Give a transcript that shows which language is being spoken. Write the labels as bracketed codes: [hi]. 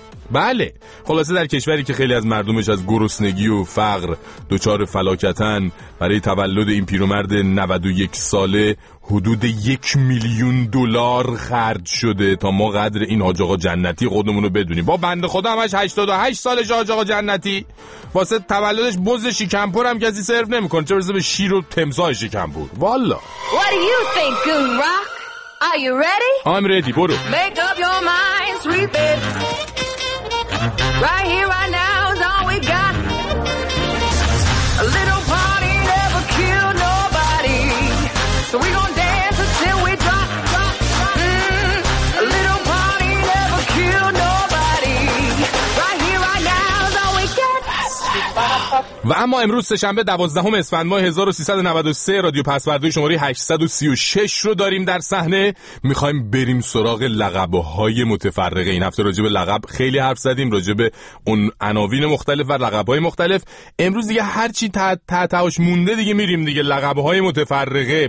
[fa] بله، خلاصه در کشوری که خیلی از مردمش از گرسنگی و فقر دچار فلاکتن، برای تولد این پیرمرد 91 ساله حدود 1,000,000 دلار خرج شده تا ما قدر این حاج آقا جنتی خودمون رو بدونیم. با بند خدا همش 88 سالش حاج آقا جنتی، واسه تولدش بز شکمپور هم کسی صرف نمی کنه، چه برسه به شیر و تمساح شکمپور. [en] والا What do you think, Goon Rock? Are you ready? I'm ready, برو. Make up your mind, sweep it. Right here, right now is all we got. A little party never killed nobody. So we gon' dance until we drop, drop, drop. A little party never killed nobody. Right here, right now is all we got. [fa] و اما امروز سه‌شنبه 12 اسفند ماه 1393 رادیو پاسورد شماره 836 رو داریم در صحنه. می‌خوایم بریم سراغ لقب‌های متفرقه. این هفته راجع به لقب خیلی حرف زدیم، راجع به اون عناوین مختلف و لقب‌های مختلف. امروز دیگه هر چی تهش مونده دیگه میریم دیگه لقب‌های متفرقه.